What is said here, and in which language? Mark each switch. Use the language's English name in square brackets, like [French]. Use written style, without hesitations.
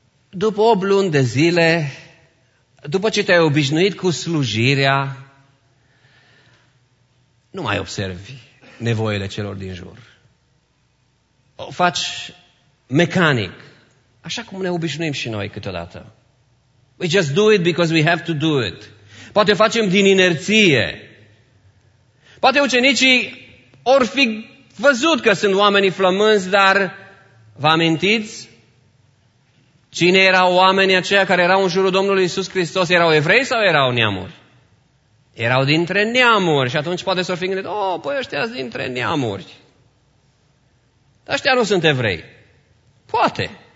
[Romanian] După 8 luni de zile, după ce te-ai obișnuit cu slujirea, nu mai observi nevoile celor din jur. O faci mecanic, așa cum ne obișnuim și noi câteodată. [English] We just do it because we have to do it. [Romanian] Poate facem din inerție. Poate ucenicii or fi văzut că sunt oamenii flămânzi, dar vă amintiți? Cine erau oamenii aceia care erau în jurul Domnului Iisus Hristos? Erau evrei sau erau neamuri? Erau dintre neamuri. Și atunci poate s-o fi gândit, păi ăștia sunt dintre neamuri. Dar ăștia nu sunt evrei. Poate.